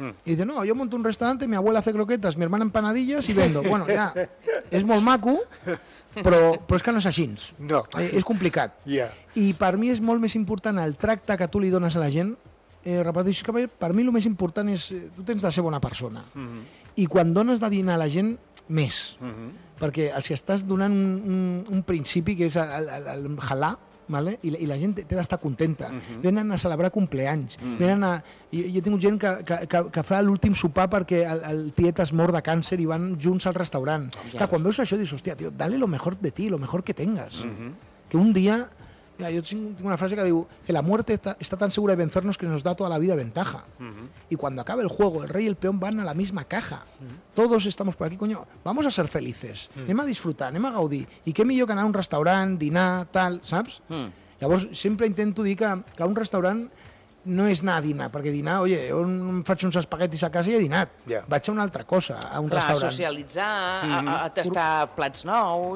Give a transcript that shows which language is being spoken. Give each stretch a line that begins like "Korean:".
Spanish: I dice, no,
Catalan: jo monto un restaurant,
Spanish: mi abuela hace croquetas, mi hermana empanadillas
Catalan: i vendo. Bueno, ja, és molt maco, però és que no és així. No. És complicat.
English: Yeah.
Catalan: I per mi és molt més important el tracte que tu li dones a la gent. Repeteixo que per mi el més important és... Tu tens de ser bona persona. I quan dones de dinar a la gent, més. Perquè els estàs donant un principi que és el halà, ¿vale? I la gent té d'estar contenta. Venen a celebrar cumpleanys. Jo he tingut gent que fa l'últim sopar perquè el tiet es mor de càncer i van junts al restaurant. Clar, quan veus això, dius, hòstia, tio,
Spanish: dale lo mejor de ti, lo mejor que tengas.
Catalan: Que un dia... Mira, jo tinc una frase que diu que
Spanish: la muerte está tan segura de vencernos que nos da toda la vida ventaja. Y cuando acabe el juego, el rey y el peón van a la misma caja. Todos estamos por aquí, coño, vamos a ser felices.
Catalan: Anem a disfrutar, anem a gaudir. I què millor que anar a un restaurant, dinar, tal, saps? Llavors, sempre intento dir que un restaurant no és anar a dinar, perquè dinar,
Spanish: oye,
Catalan: jo faig uns espaguetis a casa i he dinat.
English: Yeah.
Catalan: Vaig a una altra cosa, a un restaurant. A socialitzar, a tastar plats nous...